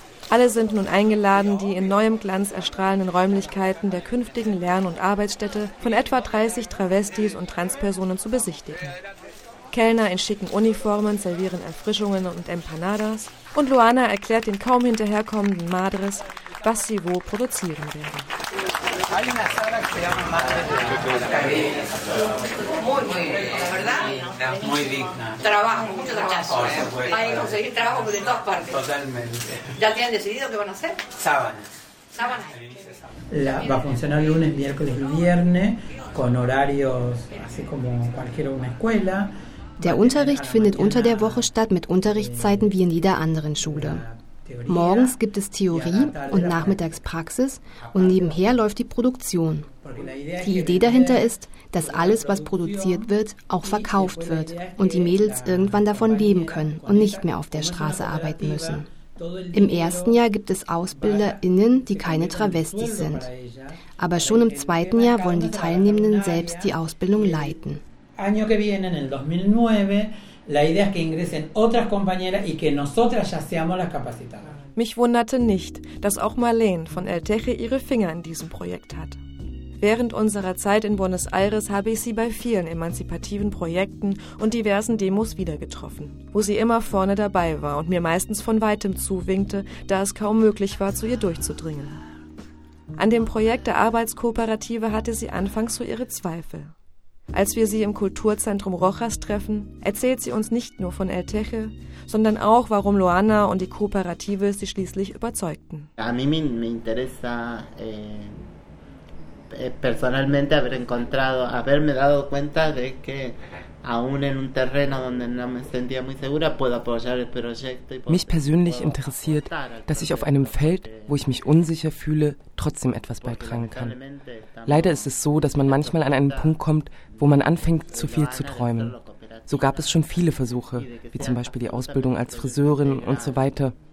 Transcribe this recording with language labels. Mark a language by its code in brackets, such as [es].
[de] Alle sind nun eingeladen, die in neuem Glanz erstrahlenden Räumlichkeiten der künftigen Lern- und Arbeitsstätte von etwa 30 Travestis und Transpersonen zu besichtigen. Kellner in schicken Uniformen servieren Erfrischungen und Empanadas und Luana erklärt den kaum hinterherkommenden Madres, was sie wo produzieren werden. [es] Hay una sala que se llama Madre de la Cariño. Muy buena, ¿verdad? Sí, muy digna. Trabajo, mucho trabajo. Oh, ¿eh? Hay que conseguir trabajo de todas partes. Totalmente. ¿Ya tienen decidido qué van a hacer? Sábanas. Va a funcionar lunes, miércoles y viernes, con horarios así como cualquier una escuela. [de] Der Unterricht findet unter der Woche statt mit Unterrichtszeiten wie in jeder anderen Schule. Morgens gibt es Theorie und nachmittags Praxis und nebenher läuft die Produktion. Die Idee dahinter ist, dass alles, was produziert wird, auch verkauft wird und die Mädels irgendwann davon leben können und nicht mehr auf der Straße arbeiten müssen. Im ersten Jahr gibt es AusbilderInnen, die keine Travestis sind. Aber schon im zweiten Jahr wollen die Teilnehmenden selbst die Ausbildung leiten. [es] Año que viene, en el 2009, La idea es que ingresen otras compañeras y que nosotras ya seamos las capacitadas. [de] Mich wunderte nicht, dass auch Marlene von El Teje ihre Finger in diesem Projekt hat. Während unserer Zeit in Buenos Aires habe ich sie bei vielen emanzipativen Projekten und diversen Demos wieder getroffen, wo sie immer vorne dabei war und mir meistens von Weitem zuwinkte, da es kaum möglich war, zu ihr durchzudringen. An dem Projekt der Arbeitskooperative hatte sie anfangs so ihre Zweifel. Als wir sie im Kulturzentrum Rojas treffen, erzählt sie uns nicht nur von El Teje, sondern auch, warum Luana und die Kooperative sie schließlich überzeugten. [es] A mí me interesa personalmente haberme dado cuenta de que aun en un terreno donde no me sentía muy segura puedo apoyar el proyecto. [de] Mich persönlich interessiert, dass ich auf einem Feld, wo ich mich unsicher fühle, trotzdem etwas beitragen kann. Leider ist es so, dass man manchmal an einen Punkt kommt, wo man anfängt, zu viel zu träumen. So gab es schon viele Versuche, wie zum Beispiel die Ausbildung als Friseurin und so weiter.